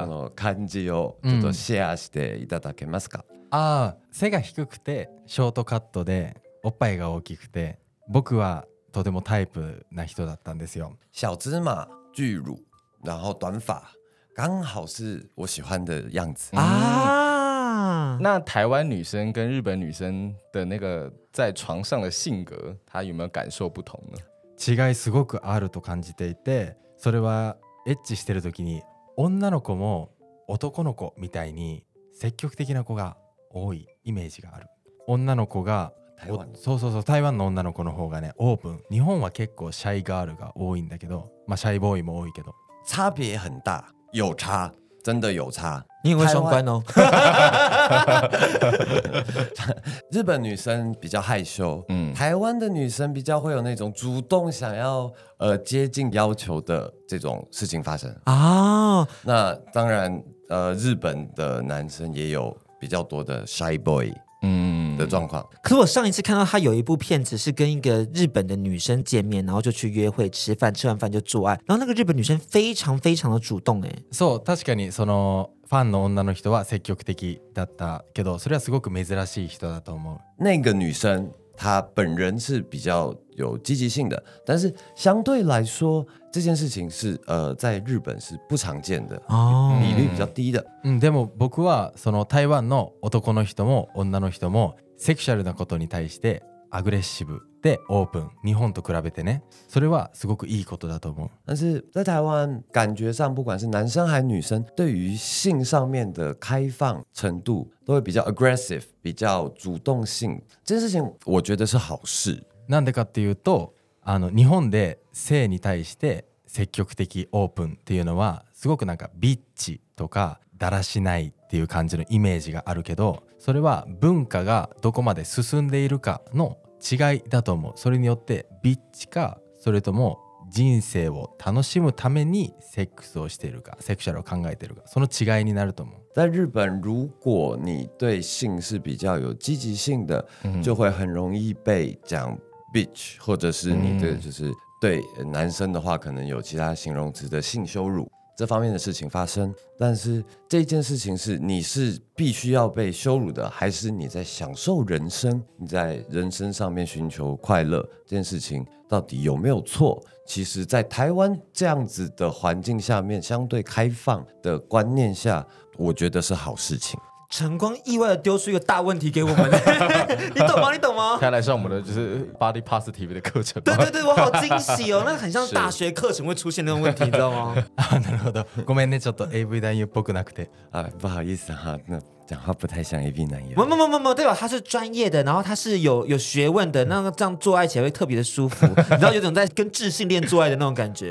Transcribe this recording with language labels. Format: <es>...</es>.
<ja>その感じをちょっとシェアしていただけますか？背が低くてショートカットでおっぱいが大きくて。僕はとてもタイプな人だったんですよ。</ja> <zh>小芝麻、巨乳、然后短发，刚好是我喜欢的样子啊。那台湾女生跟日本女生的那个在床上的性格，她有没有感受不同呢？</zh> <ja>違いすごくあると感じていて、それはエッチしてる時に女の子も男の子みたいに積極的な子が多いイメージがある。女の子が台湾そうそうそう台湾の女の子の方がねオープン日本は結構シャイガールが多いんだけどまあシャイボーイも多いけど</ja> <zh>差別很大有差真的有差你会双关哦日本女生比较害羞、台湾的女生比较会有那种主动想要接近要求的这种事情发生啊、那当然日本的男生也有比较多的 shy boy的状况。可是我上一次看到他有一部片子是跟一个日本的女生见面，然后就去约会吃饭，吃完饭就做爱，然后那个日本女生非常非常的主动哎。</zh> <ja>そう、確かにそのファンの女の人は積極的だったけど、それはすごく珍しい人だと思う。</ja> <zh>那个女生她本人是比较有积极性的，但是相对来说这件事情是在日本是不常见的，比率比较低的。</zh> <ja>でも僕はその台湾の男の人も女の人もセクシャルなことに対してアグレッシブでオープン。日本と比べてね、それはすごくいいことだと思う。</ja> <zh>但是在台湾，感觉上不管是男生还是女生，对于性上面的开放程度都会比较 aggressive， 比较主动性。这件事情我觉得是好事。</zh> <ja>なんでかっていうと。日本で性に対して積極的オープンっていうのはすごくなんかビッチとかだらしないっていう感じのイメージがあるけどそれは文化がどこまで進んでいるかの違いだと思うそれによってビッチかそれとも人生を楽しむためにセックスをしているかセクシャルを考えているかその違いになると思う</ja> <zh>在日本如果你对性是比较有积极性的就会很容易被讲bitch 或者是你的就是对男生的话可能有其他形容词的性羞辱这方面的事情发生但是这件事情是你是必须要被羞辱的还是你在享受人生你在人生上面寻求快乐这件事情到底有没有错其实在台湾这样子的环境下面相对开放的观念下我觉得是好事情晨光意外的丢出一个大问题给我们你懂吗你懂吗看来像我们的就是 body positive 的课程对对对我好惊喜哦那很像大学课程会出现那种问题你知道吗</zh> <ja>なるほどごめんねちょっと AV 男優っぽくなくて</ja> <zh>不好意思哈、那讲话不太像 AV 男優没对吧他是专业的然后他是 有学问的那这样做爱起来会特别的舒服你知道有种在跟智性恋做爱的那种感觉</zh>